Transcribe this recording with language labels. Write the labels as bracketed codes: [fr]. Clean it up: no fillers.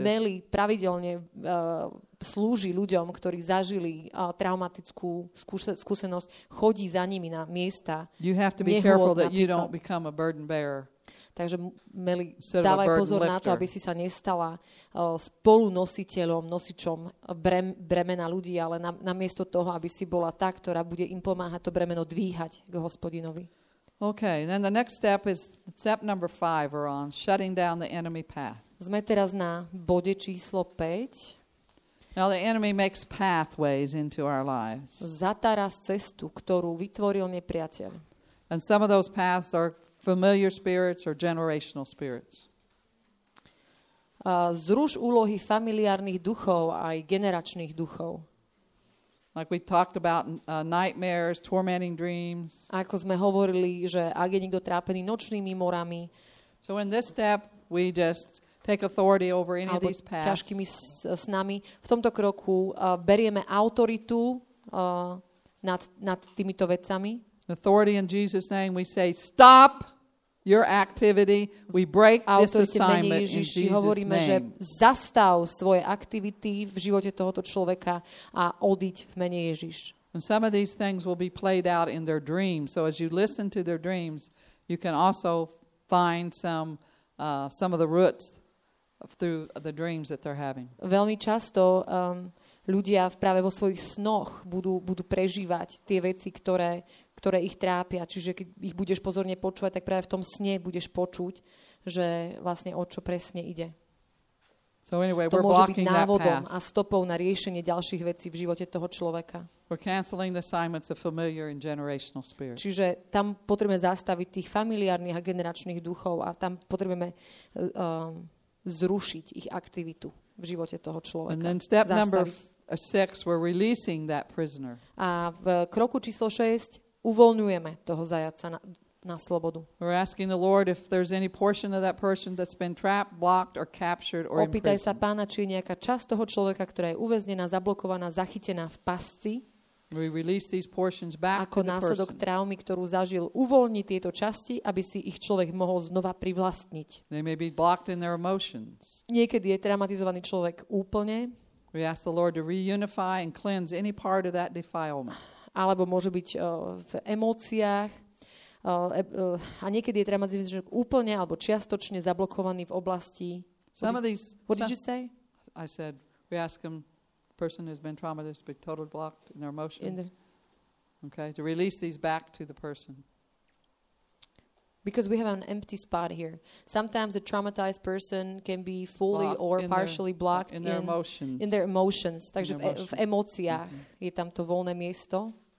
[sk] Melly pravidelne slúži ľuďom, ktorí zažili traumatickú skúsenosť, chodí za nimi na miesta. [en] You have to be careful that you don't become a burden bearer. [sk] Takže Melly, dávaj pozor na to, aby si sa nestala spolunositeľom, nosičom bremena ľudí, ale namiesto toho, aby si bola tá, ktorá bude im pomáhať to bremeno dvíhať k Hospodinovi. [en] Okay, then the next step is step number 5 we're on, shutting down the enemy path. [sk] Sme teraz na bode číslo 5. [en] Now the enemy makes pathways into our lives. [sk] Zatára cestu, ktorú vytvoril nepriateľ. [en] And some of those paths are familiar spirits or generational spirits. [sk] Zruš úlohy familiárnych duchov aj generačných duchov. [en] Like we talked about nightmares, tormenting dreams. [sk] Ako sme hovorili, že ak je niekto trápený nočnými morami. [en] So in this step we just take authority over any of these paths. [sk] Ťažkými snami. V tomto kroku berieme autoritu nad týmito vecami. [en] Authority in Jesus' name, we say stop your activity. We break this assignment in Jesus' name. [sk] Hovoríme, že zastav svoje aktivity v živote tohoto človeka a odiť v mene Ježiš. [en] And some of these things will be played out in their dreams. So as you listen to their dreams, you can also find some of the roots through the dreams that they're having. [sk] Veľmi často ľudia práve vo svojich snoch budú prežívať tie veci, ktoré ich trápia. Čiže keď ich budeš pozorne počúvať, tak práve v tom sne budeš počuť, že vlastne o čo presne ide. [en] So anyway, [sk] to môže byť návodom a stopou na riešenie ďalších vecí v živote toho človeka. [en] We're canceling the assignments of familiar and generational spirit. [sk] Čiže tam potrebujeme zastaviť tých familiárnych a generačných duchov a tam potrebujeme zrušiť ich aktivitu v živote toho človeka. [en] And then step number 6, we're releasing that prisoner. [sk] A v kroku číslo 6 uvoľňujeme toho zajaca na slobodu. [en] We're asking the Lord if there's any portion of that person that's been trapped, blocked or captured or imprisoned. [sk] Opýtaj sa Pána, či je nejaká časť toho človeka, ktorá je uväznená, zablokovaná, zachytená v pasci. [en] We release these portions back to the person. [sk] Ako následok traumy, ktorú zažil, uvoľni tieto časti, aby si ich človek mohol znova privlastniť. [en] They may be blocked in their emotions. [sk] Niekedy je traumatizovaný človek úplne. [en] We ask the Lord to reunify and cleanse any part of that defilement. [sk] Alebo môže byť v emóciách. A niekedy je traumatizovaný človek úplne alebo čiastočne zablokovaný v oblasti. [en] What did you say? I said, we ask him, person has been traumatized, but totally blocked in their emotions. Okay, to release these back to the person. Because we have an empty spot here. Sometimes a traumatized person can be fully blocked or partially blocked in their emotions. In their emotions. [sk] Takže v emóciách je tam to voľné miesto.